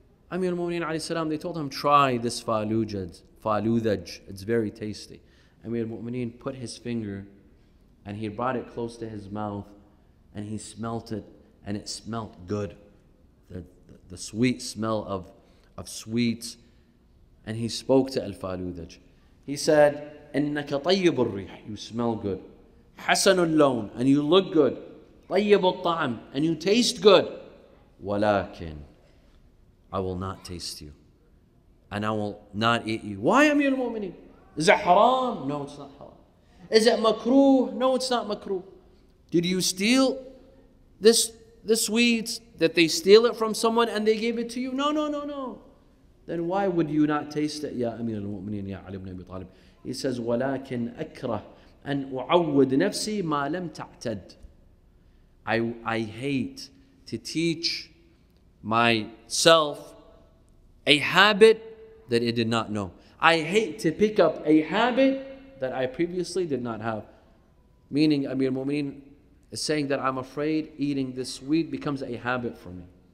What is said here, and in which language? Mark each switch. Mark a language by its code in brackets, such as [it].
[en] Amir al-Mu'mineen alayhi salam, they told him, try this faludaj, it's very tasty. Amir al-Mu'mineen put his finger and he brought it close to his mouth and he smelt it, and it smelt good. The sweet smell of sweets. And he spoke to al-Faludaj. He said, [ar] إِنَّكَ طَيِّبُ الرِّيحِ. [en] You smell good. [ar] حَسَنُ اللَّونِ. [en] And you look good. [ar] طَيِّبُ الطَّعْمِ. [en] And you taste good. [ar] وَلَكِنْ [en] I will not taste you. And I will not eat you. Why, Amir al-Mu'mineen? Is it haram? No, it's not haram. Is it makruh? No, it's not makruh. Did you steal this sweets? Did they steal it from someone and they gave it to you? No. Then why would you not taste it, ya Amir al-Mu'mineen, ya Ali ibn Abi Talib? He says, [ar] ولكن أكره أن أعود نفسي ما لم تعتد. [en] I hate to teach myself a habit that I did not know. I hate to pick up a habit that I previously did not have. Meaning, Amir al-Mu'mineen is saying that I'm afraid eating this sweet becomes a habit for me.